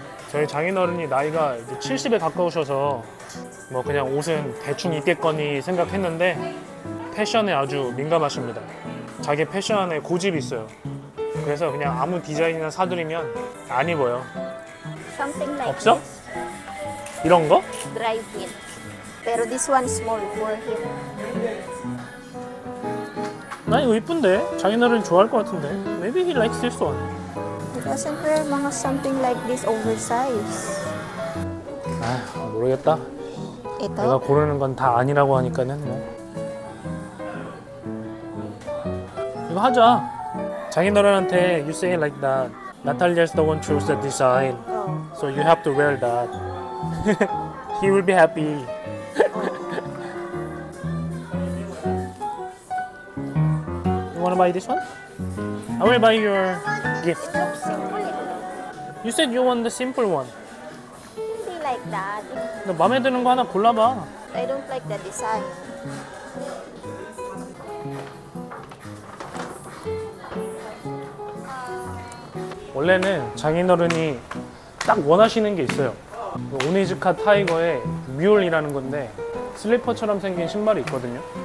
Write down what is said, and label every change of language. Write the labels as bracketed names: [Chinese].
[Korean] 저희 장인 어른이 나이가 이제 70에 가까우셔서 뭐 그냥 옷은 대충 입겠거니 생각했는데 패션에 아주 민감하십니다. 자기 패션에 고집이 있어요. 그래서 그냥 아무 디자인이나 사드리면 안 입어요. [English] Something like [Korean] 없어? [English] This. [Korean] 이런 거? [English] Dry fit. [Spanish] Pero [English] this one small for him. [Korean] 나 이거 이쁜데? 장인 어른이 좋아할 것 같은데? [English] Maybe he likes this one. He doesn't wear something like this oversized. [Korean] 아, 모르겠다. 이거? 내가 고르는 건 다 아니라고 하니까는 뭐. 이거 하자. 장인 어른한테 [English] you say it like that. Natalia's the one choose the design. So you have to wear that. He will be happy. [Korean] 어. [English] You wanna buy this one? I will buy your gift. You said you want the simple one. Maybe like that. [Korean] 너 마음에 드는 거 하나 골라봐. [English] I don't like the design. [Korean] 원래는 장인어른이 딱 원하시는 게 있어요. 오네즈카 타이거의 뮬이라는 건데 슬리퍼처럼 생긴 신발이 있거든요.